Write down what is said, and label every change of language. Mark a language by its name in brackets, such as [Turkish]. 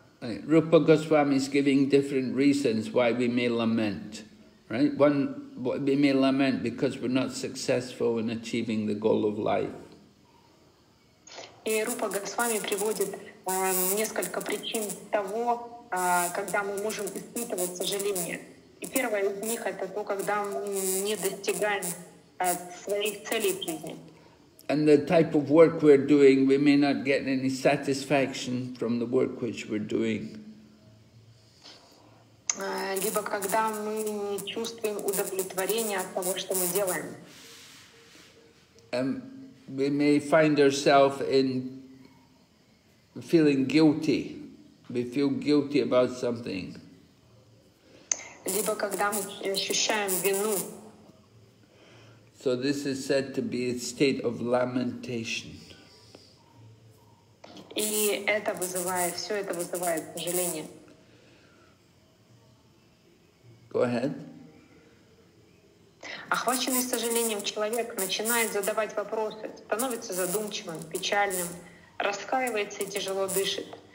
[English] Rupa Goswami is giving different reasons why we may lament, right? One, we may lament because we're not successful in achieving the goal of life. [Russian] И Рупа Госвами приводит несколько причин того, когда мы можем испытывать сожаление. И первое из них — это то, когда мы не достигаем своих целей в жизни. [English] And the type of work we're doing, we may not get any satisfaction from the work which we're doing. [Russian] Либо когда мы не чувствуем удовлетворения от того, что мы делаем. [English] We may find ourselves in feeling guilty. We feel guilty about something. [Russian] Либо когда мы ощущаем вину. [English] So this is said to be a state of lamentation. [Russian] И это вызывает, все это вызывает сожаление. [English] Go ahead. [Russian] Охваченный сожалением человек начинает задавать вопросы, становится задумчивым, печальным, раскаивается и тяжело дышит.